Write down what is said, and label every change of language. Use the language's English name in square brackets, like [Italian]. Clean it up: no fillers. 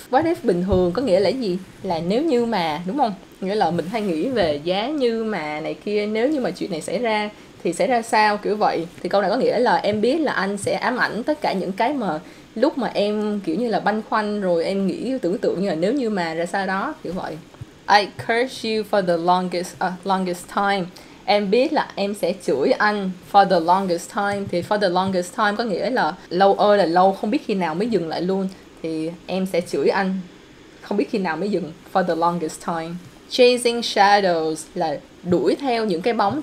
[English] What if [Vietnamese] bình thường có nghĩa là gì? Là nếu như mà, đúng không? Nghĩa là mình hay nghĩ về giá như mà này kia, nếu như mà chuyện này xảy ra thì sẽ ra sao, kiểu vậy. Thì câu này có nghĩa là em biết là anh sẽ ám ảnh tất cả những cái mà lúc mà em kiểu như là băn khoăn, rồi em nghĩ tưởng tượng như là nếu như mà ra sao đó, kiểu vậy. [English] I curse you for the longest time. [Vietnamese] Em biết là em sẽ chửi anh [English] for the longest time. [Vietnamese] Thì [English] for the longest time [Vietnamese] có nghĩa là lâu ơi là lâu, không biết khi nào mới dừng lại luôn. Thì em sẽ chửi anh, không biết khi nào mới dừng, [English] for the longest time. Chasing shadows [Vietnamese] là đuổi theo những cái bóng.